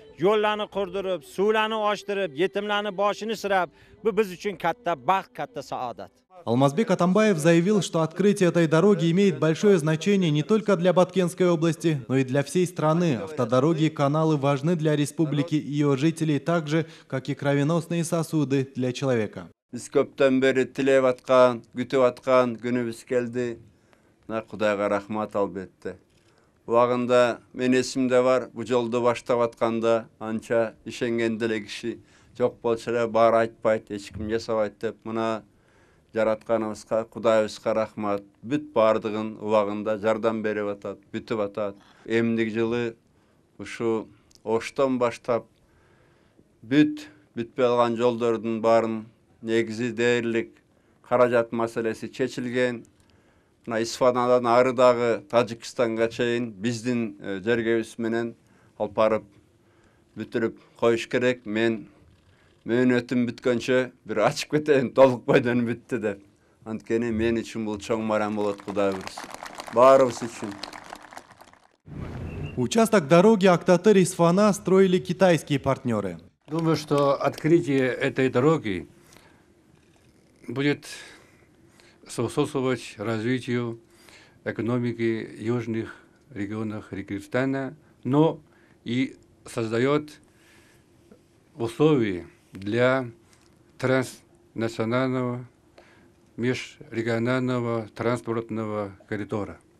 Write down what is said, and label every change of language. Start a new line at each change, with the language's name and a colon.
Uzbek: Yollarni qurdirib, suvlarni ochtirib, yetimlarni boshini sirab, bu biz uchun katta baxt, katta saodat.
Russian: Алмазбек Атамбаев заявил, что открытие этой дороги имеет большое значение не только для Баткенской области, но и для всей страны. Автодороги и каналы важны для республики и ее жителей так же, как и кровеносные сосуды для человека.
Kyrgyz: Биз көптөн бери тилеп аткан, күтүп аткан күнүбүз келди. Мына Кудайга рахмат албетте. Вагында мен эсимде бар, бу жолду баштап атканда анча ишенген деле киши жок болсо да баары айтпайт, эч ким жасабайт деп мына жаратканыбызга, Кудайыбызга рахмат. Бүт бардыгын убагында жардам берип атат, бүтүп атат. Эмдиги жылы ушу Оштон баштап бүтпөй алган жолдордун баарын негизи дээрлик каражат маселеси чечилген. На Исфанадан арыдагы Таджикстанга чейин биздин жергебиз менен алпарып бүтүрүп коюш керек. Мен мөөнөтүм бүткөнчө бир ачып кетейин, толук бойдон бүттү деп. Анткени мен үчүн бул чоң марам болот, Кудай бирис. Баарыбыз үчүн.
Russian: Участок дороги Актатыр-Исфана строили китайские партнеры. Думаю, что открытие этой дороги будет способствовать развитию экономики южных регионов Кыргызстана, но и создает условия для транснационального межрегионального транспортного коридора.